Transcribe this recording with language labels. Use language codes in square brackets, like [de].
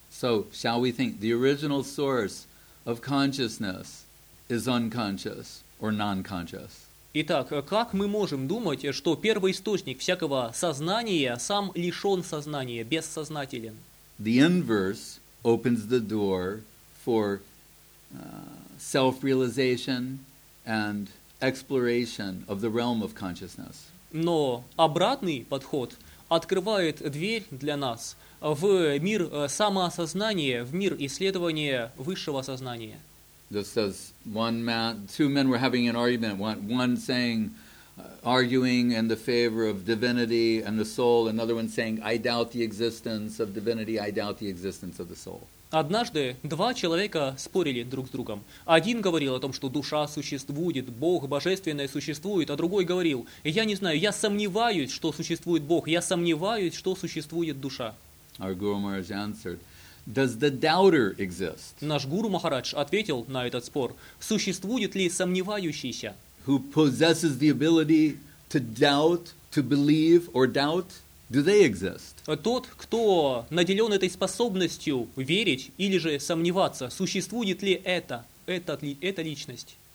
[en] So, shall we think the original source of consciousness is unconscious or non-conscious? [ru] Итак, как мы можем думать, что первоисточник всякого сознания сам лишен сознания, бессознателен? [en] The inverse opens the door for self-realization and exploration of the realm of consciousness. [ru] Но обратный подход открывает дверь для нас в мир самоосознания, в мир исследования высшего сознания. [en] This says one man, two men were having an argument. One saying, arguing in the favor of divinity and the soul. Another one saying, I doubt the existence of divinity. I doubt the existence of the soul. [ru] Однажды два человека спорили друг с другом. Один говорил о том, что душа существует, Бог божественное существует, а другой говорил, я не знаю, я сомневаюсь, что существует Бог, я сомневаюсь, что существует душа. [en] Our Guru Maharaj answered, does the doubter exist? [ru] Наш Гуру Махарадж ответил на этот спор, существует ли сомневающийся? [en] Who possesses the ability to doubt, to believe or doubt? Do they exist? [ru] Тот, кто наделен этой способностью верить или же сомневаться, существует ли эта личность?